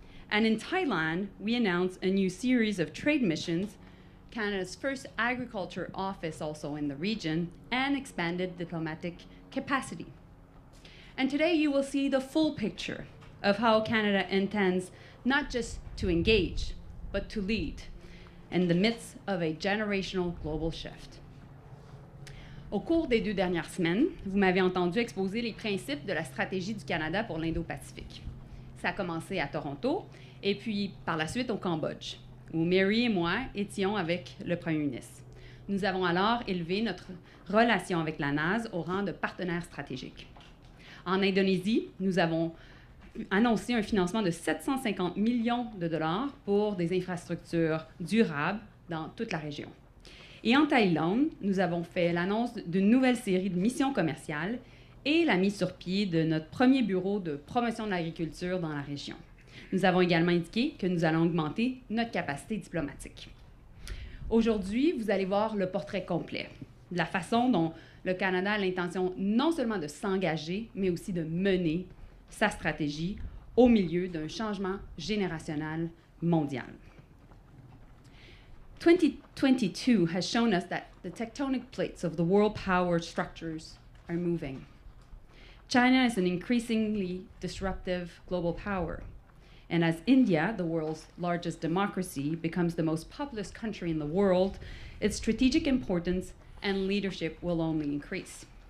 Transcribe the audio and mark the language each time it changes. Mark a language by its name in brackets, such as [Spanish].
[English] And in Thailand, we announced a new series of trade missions, Canada's first agriculture office also in the region, and expanded diplomatic capacity. And today you will see the full picture of how Canada intends not just to engage, but to lead in the midst of a generational global shift. [French] Au cours des deux dernières semaines, vous m'avez entendu exposer les principes de la stratégie du Canada pour l'Indo-Pacifique. Ça a commencé à Toronto et puis par la suite au Cambodge, où Mary et moi étions avec le Premier ministre. Nous avons alors élevé notre relation avec la NAS au rang de partenaire stratégique. En Indonésie, nous avons annoncé un financement de 750 millions de dollars pour des infrastructures durables dans toute la région. Et en Thaïlande, nous avons fait l'annonce d'une nouvelle série de missions commerciales et la mise sur pied de notre premier bureau de promotion de l'agriculture dans la région. Nous avons également indiqué que nous allons augmenter notre capacité diplomatique. Aujourd'hui, vous allez voir le portrait complet, la façon dont le Canada a l'intention non seulement de s'engager, mais aussi de mener sa stratégie au milieu d'un changement générationnel mondial. [English] 2022 has shown us that the tectonic plates of the world power structures are moving. China is an increasingly disruptive global power. And as India, the world's largest democracy, becomes the most populous country in the world, its strategic importance and leadership will only increase.